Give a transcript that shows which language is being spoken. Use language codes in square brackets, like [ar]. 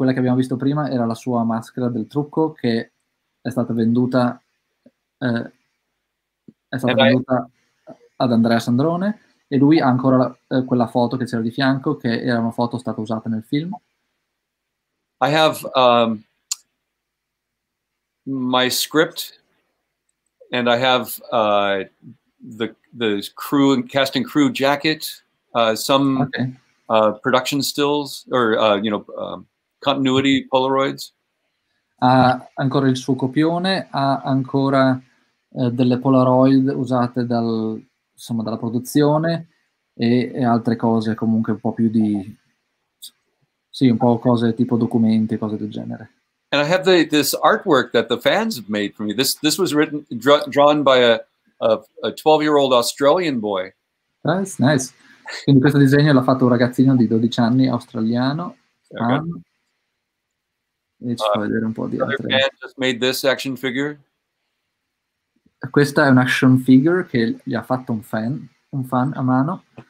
[it] Quella che abbiamo visto prima era la sua maschera del trucco che è stata venduta ad Andrea Sandrone e lui ha ancora quella foto che c'era di fianco che era una foto stata usata nel film. [en] I have my script and I have the crew and cast and crew jacket, some production stills or continuity Polaroids. [it] Ha ancora il suo copione, ha ancora delle Polaroid usate dal insomma dalla produzione e altre cose comunque un po' più di sì, un po' cose tipo documenti, cose del genere. [en] And I have this artwork that the fans have made for me. This was written drawn by a 12-year-old Australian boy. That's nice. [it] Quindi questo disegno l'ha fatto un ragazzino di 12 anni australiano. E ci fa vedere un po' di altre. [en] Another fan just made this action figure. [it] Questa è un action figure che gli ha fatto un fan a mano.